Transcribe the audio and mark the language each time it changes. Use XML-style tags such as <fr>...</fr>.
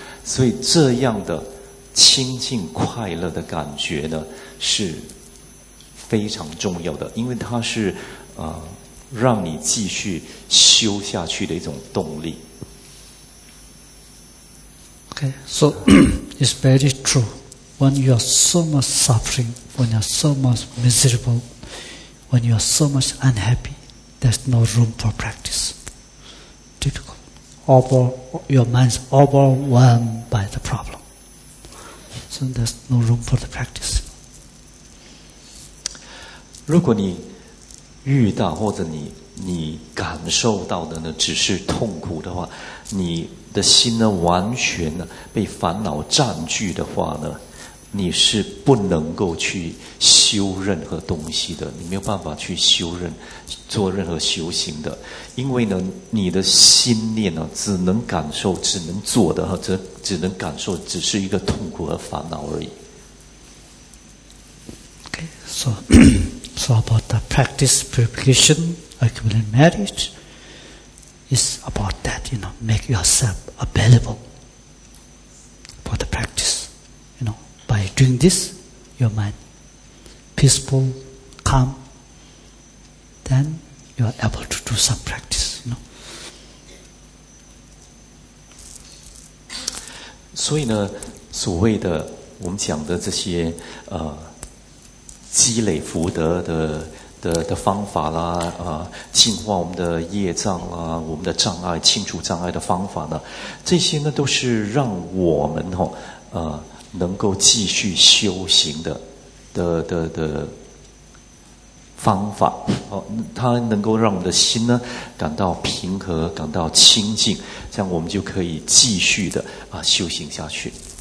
<zh>所以这样的清净快乐的感觉呢，是非常重要的，因为它是让你继续修下去的一种动力。</zh> <en>Okay, so it's very true. When you are so much suffering, when you are so much miserable, when you are so much unhappy, there's no room for practice. Difficult. Your mind's overwhelmed by the problem. So there's no room for the practice.</en> <zh>如果你遇到或者你感受到的呢只是痛苦的话，你的心呢完全呢被烦恼占据的话呢，你是不能够去修任何东西的，你没有办法去做任何修行的。因为呢你的心念呢只能感受只能做的哈，只能感受只是一个痛苦和烦恼而已。</zh> <en>Okay, so So about the practice, purification, accumulating merit, is about that, you know, make yourself available for the practice. You know, by doing this, your mind peaceful, calm, then you are able to do some practice, you know.</en> <zh>所以呢，所谓的我们讲的这些积累福德的的方法啦，净化我们的业障啦，我们的障碍，清除障碍的方法呢，这些呢都是让我们哦，能够继续修行的方法哦，它能够让我们的心呢感到平和，感到清净，这样我们就可以继续的啊修行下去。</zh>